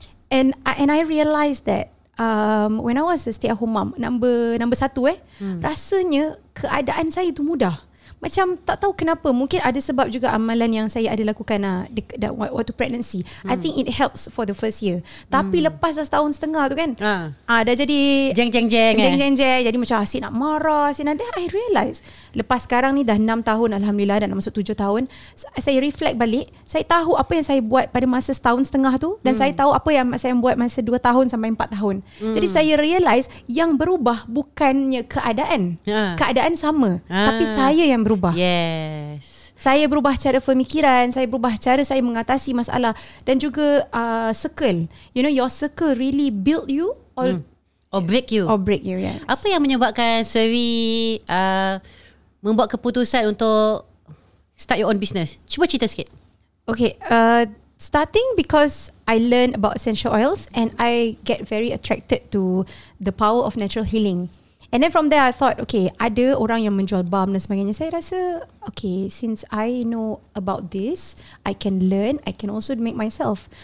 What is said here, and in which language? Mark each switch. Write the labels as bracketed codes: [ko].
[en] And I realized that when I was a stay at home mom number satu, [ms] rasanya keadaan saya tu mudah. Macam tak tahu kenapa, mungkin ada sebab juga amalan yang saya ada lakukan waktu pregnancy. [en] I think it helps for the first year. [ms] Tapi lepas dah setahun setengah tu kan, dah jadi jeng-jeng-jeng. Jadi macam asyik nak marah, asyik nak. [en] Then I realize, [ms] lepas sekarang ni dah 6 tahun, alhamdulillah, dan nak masuk 7 tahun, saya reflect balik, saya tahu apa yang saya buat pada masa setahun setengah tu, dan saya tahu apa yang saya buat masa 2 tahun sampai 4 tahun. Jadi saya realize yang berubah bukannya keadaan. Keadaan sama, tapi saya yang berubah. Yes. Saya berubah cara pemikiran, saya berubah cara saya mengatasi masalah, dan juga circle. [en] You know, your circle really build you or break you. Yes. [ms] Apa yang menyebabkan Suri membuat keputusan untuk [en] start your own business? [ms] Cuba cerita sikit. [en] Okay, starting because I learn about essential oils and I get very attracted to the power of natural healing. And then from there, I thought, okay, [ms] ada orang yang menjual balm dan sebagainya. Saya rasa, [en] okay, since I know about this, I can learn, I can also make myself.